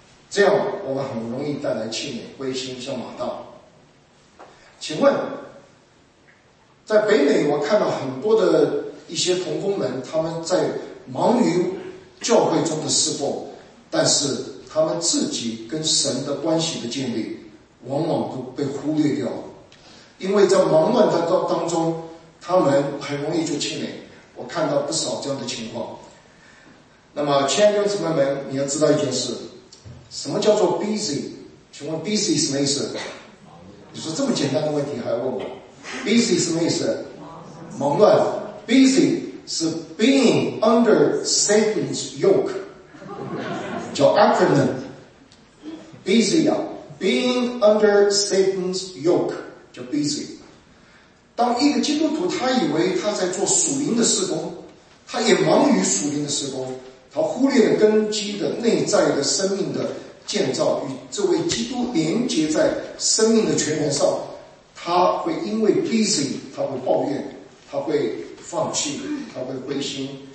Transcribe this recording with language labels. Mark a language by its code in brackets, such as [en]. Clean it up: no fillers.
[zh] 这样我们很容易带来气馁归心，像马大。请问在北美，我看到很多的一些同工们，他们在忙于教会中的侍奉，但是他们自己跟神的关系的建立往往都被忽略掉了，因为在忙乱当中他们很容易就气馁。我看到不少这样的情况。那么亲爱的姊妹们，你要知道一件事，什么叫做 busy？请问 busy 什么意思？你说这么简单的问题还问我 busy 什么意思？忙乱。 [en] busy 是 being under Satan's yoke， 叫 acronym busy 啊， being under Satan's yoke 叫 busy。 [zh] 当一个基督徒他以为他在做属灵的事工，他也忙于属灵的事工，他忽略了根基的内在的生命的建造与这位基督连接在生命的泉源上，他会因为 busy， 他会抱怨，他会放弃，他会灰心。